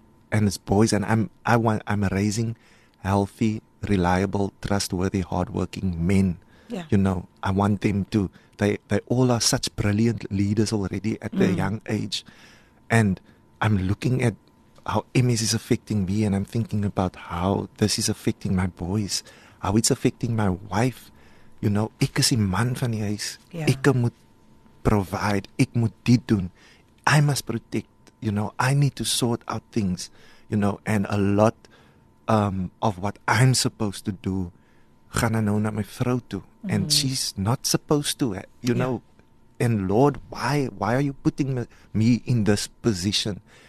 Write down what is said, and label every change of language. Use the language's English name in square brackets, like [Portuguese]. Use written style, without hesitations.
[English] And it's boys, and I'm raising healthy, reliable, trustworthy, hardworking men. Yeah. You know, I want them to. They all are such brilliant leaders already at their young age. And I'm looking at how MS is affecting me, and I'm thinking about how this is affecting my boys, how it's affecting my wife. You know, [Afrikaans] ek is die man van die huis. Ek moet provide. Ek moet dit doen. [English] I must protect. You know, I need to sort out things. You know, and a lot of what I'm supposed to do [Afrikaans] gaan nou na my vrou toe. [English] And she's not supposed to, you know. And Lord, why are you putting me in this position?